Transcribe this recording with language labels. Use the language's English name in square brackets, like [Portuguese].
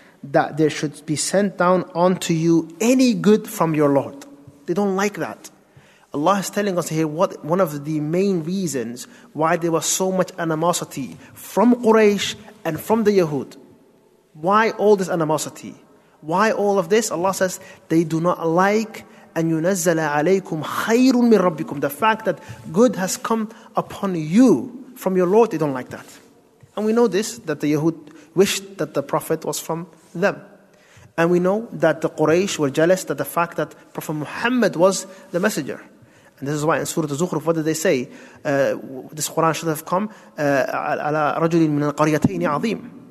[English] That there should be sent down onto you any good from your Lord. They don't like that. Allah is telling us here what one of the main reasons why there was so much animosity from Quraysh and from the Yahud. Why all this animosity? Why all of this? Allah says, they do not like [Arabic] أن ينزل عليكم خير من ربكم. [English] The fact that good has come upon you from your Lord, they don't like that. And we know this, that the Yahud wished that the Prophet was from them. And we know that the Quraysh were jealous that the fact that Prophet Muhammad was the messenger. And this is why in Surah Az-Zukhruf, what did they say? This Quran should have come [Arabic] على رجل من القريتين عظيم.